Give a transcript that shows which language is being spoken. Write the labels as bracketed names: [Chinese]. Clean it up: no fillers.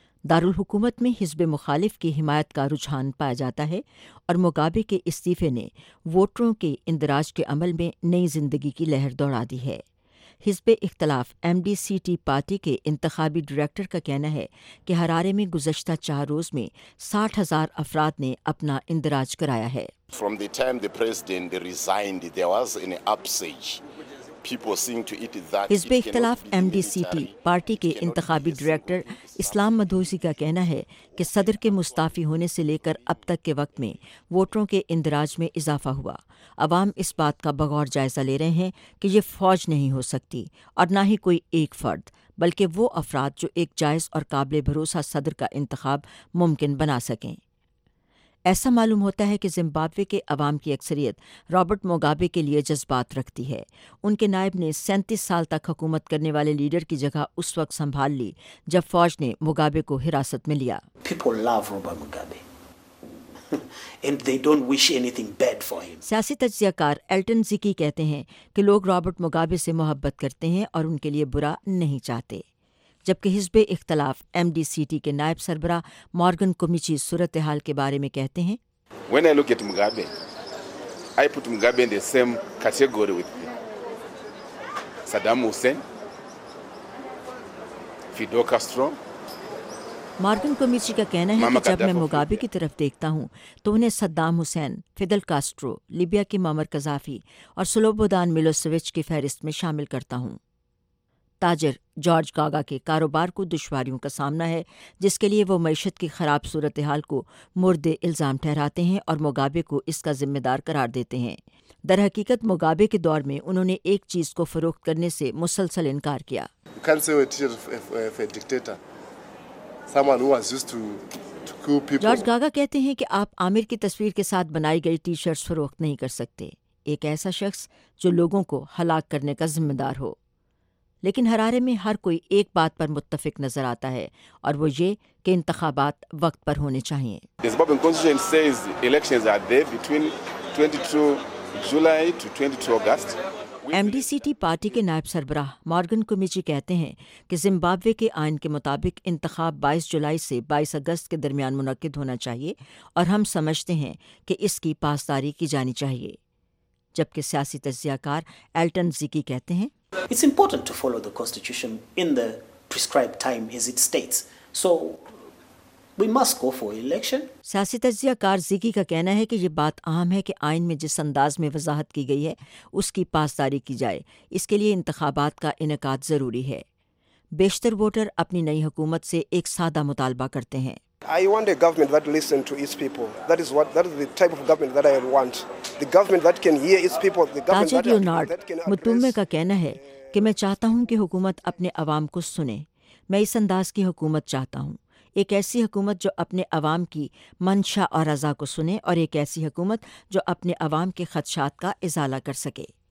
[Urdu] دارالحکومت میں حزب مخالف کی حمایت کا رجحان پایا جاتا ہے اور مگابے کے استعفے نے ووٹروں کے اندراج کے عمل میں نئی زندگی کی لہر دوڑا دی ہے۔ حزب اختلاف M D C T party کے انتخابی ڈائریکٹر کا کہنا ہے کہ ہرارے میں گزشتہ 4 روز میں 60,000 افراد نے اپنا اندراج کرایا ہے۔ [English] From the time the president resigned, there was an upsurge. [Urdu] حزب اختلاف M D C T party کے انتخابی ڈائریکٹر اسلام مدوسی کا کہنا ہے کہ صدر کے مستعفی ہونے سے لے کر اب تک کے وقت میں ووٹروں کے اندراج میں اضافہ ہوا۔ عوام اس بات کا بغور جائزہ لے رہے ہیں کہ یہ فوج نہیں ہو سکتی اور نہ ہی کوئی ایک فرد، بلکہ وہ افراد جو ایک جائز اور قابل بھروسہ صدر کا انتخاب ممکن بنا سکیں۔ ایسا معلوم ہوتا ہے کہ زمبابوے کے عوام کی اکثریت رابرٹ مگابے کے لیے جذبات رکھتی ہے۔ ان کے نائب نے 37 سال تک حکومت کرنے والے لیڈر کی جگہ اس وقت سنبھال لی جب فوج نے مگابے کو حراست میں لیا۔ [English] People love Robert Mugabe and they don't wish anything bad for him. [Urdu] سیاسی تجزیہ کار ایلٹن زکی کہتے ہیں کہ لوگ رابرٹ مگابے سے محبت کرتے ہیں اور ان کے لیے برا نہیں چاہتے، جبکہ حزب اختلاف ایم ڈی سی ٹی کے نائب سربراہ مارگن کومیچی صورتحال کے بارے میں کہتے ہیں، [English] When I look at Mugabe, I put Mugabe in the same category with me. Saddam Hussein, Fidel Castro. [Urdu] Morgan کومیچی کا کہنا ہے کہ جب میں مگابے کی طرف دیکھتا ہوں تو انہیں صدام حسین، فیدل کاسٹرو، لیبیا کے معمر قذافی اور سلوبودان میلوسویچ کی فہرست میں شامل کرتا ہوں۔ تاجر جارج گاگا کے کاروبار کو دشواریوں کا سامنا ہے جس کے لیے وہ معیشت کی خراب صورتحال کو مردے الزام ٹھہراتے ہیں اور مگابے کو اس کا ذمہ دار قرار دیتے ہیں۔ در حقیقت مگابے کے دور میں انہوں نے ایک چیز کو فروخت کرنے سے مسلسل انکار کیا۔ [English] You can't say a dictator, someone who was used to cool people. [Urdu] George گاگا کہتے ہیں کہ آپ عامر کی تصویر کے ساتھ بنائی گئی ٹی شرٹس فروخت نہیں کر سکتے، ایک ایسا شخص جو لوگوں کو ہلاک کرنے کا ذمہ دار ہو۔ لیکن ہرارے میں ہر کوئی ایک بات پر متفق نظر آتا ہے اور وہ یہ کہ انتخابات وقت پر ہونے چاہیے۔ [English] The Zimbabwean Constitution says elections are there between 22 July to 22 August. [Urdu] M D C T party کے نائب سربراہ مارگن کومیچی کہتے ہیں کہ زمبابوے کے آئین کے مطابق انتخاب 22 جولائی سے 22 اگست کے درمیان منعقد ہونا چاہیے اور ہم سمجھتے ہیں کہ اس کی پاسداری کی جانی چاہیے۔ جبکہ سیاسی تجزیہ کار ایلٹن زکی کہتے ہیں، [English] It's important to follow the constitution in the prescribed time as it states. So we must go for election. [Urdu] سیاسی تجزیہ کار زیگی کا کہنا ہے کہ یہ بات اہم ہے کہ آئین میں جس انداز میں وضاحت کی گئی ہے اس کی پاسداری کی جائے، اس کے لیے انتخابات کا انعقاد ضروری ہے۔ بیشتر ووٹر اپنی نئی حکومت سے ایک سادہ مطالبہ کرتے ہیں۔ [English] I want a government that listens to its people. That is the type of government that I want. The government that can hear its people. The government that can address... [Urdu] متومے کا کہنا ہے کہ میں چاہتا ہوں کہ حکومت اپنے عوام کو سنے۔ میں اس انداز کی حکومت چاہتا ہوں، ایک ایسی حکومت جو اپنے عوام کی منشا اور رضا کو سنے، اور ایک ایسی حکومت جو اپنے عوام کے خدشات کا ازالہ کر سکے۔